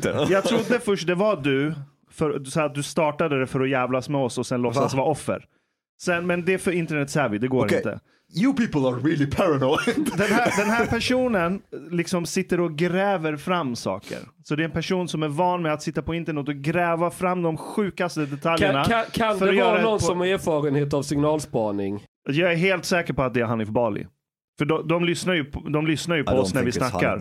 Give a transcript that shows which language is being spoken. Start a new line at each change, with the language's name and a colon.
Swedish: Jag trodde först det var du. För så att du startade det för att jävlas med oss och sen låtsas vara offer. Men det är för internet savvy, det går inte.
English: You people are really paranoid.
Swedish: Den här personen liksom sitter och gräver fram saker. Så det är en person som är van med att sitta på internet och gräva fram de sjukaste detaljerna. Kan det vara någon som har erfarenhet av signalspaning? Jag är helt säker på att det är Hanif Bali. För de lyssnar ju på oss när vi snackar.